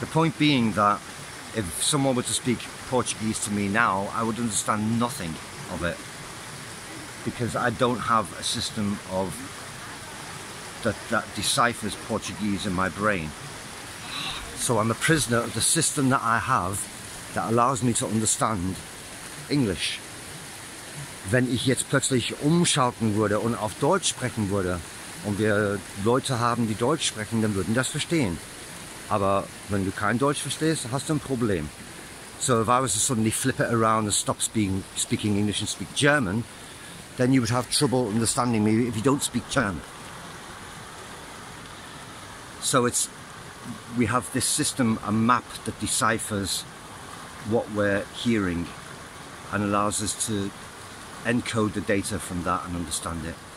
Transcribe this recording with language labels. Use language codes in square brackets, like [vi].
[en] The point being that if someone were to speak Portuguese to me now, I would understand nothing of it, because I don't have a system of that deciphers Portuguese in my brain. So I'm a prisoner of the system that I have that allows me to understand English. [de] Wenn ich jetzt plötzlich umschalten würde und auf Deutsch sprechen würde und wir Leute haben, die Deutsch sprechen, dann würden das verstehen. Aber wenn du kein Deutsch verstehst, hast du ein Problem. [en] So if I was to suddenly flip it around and stop speaking English and speak German, then you would have trouble understanding me if you don't speak German. So we have this system, a map that deciphers what we're hearing and allows us to encode the data from that and understand it.